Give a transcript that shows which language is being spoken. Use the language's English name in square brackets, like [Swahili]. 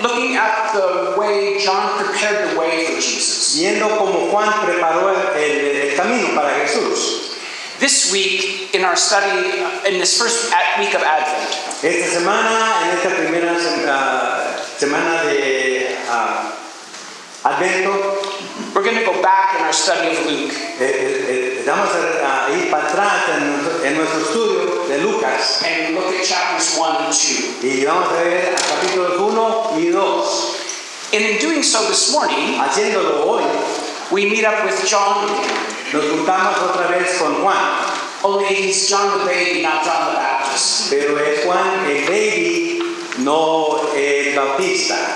[English] looking at the way John prepared the way for Jesus. [Spanish] Viendo cómo Juan preparó el camino para Jesús. [English] This week in our study, in this first week of Advent. [Spanish] Esta semana, en esta primera semana de Advento, [English] we're going to go back in our study of Luke. [Spanish] Vamos a ir para atrás en nuestro estudio de Lucas. [English] And look at chapters 1 and 2. [Spanish] Y vamos a ver a capítulos 1 y 2. [English] And in doing so this morning, [Spanish] haciéndolo hoy, [English] we meet up with John. [Spanish] Nos juntamos otra vez con Juan. [English] Only he's John the baby, not John the Baptist. [Spanish] Pero es Juan el baby, no el Bautista.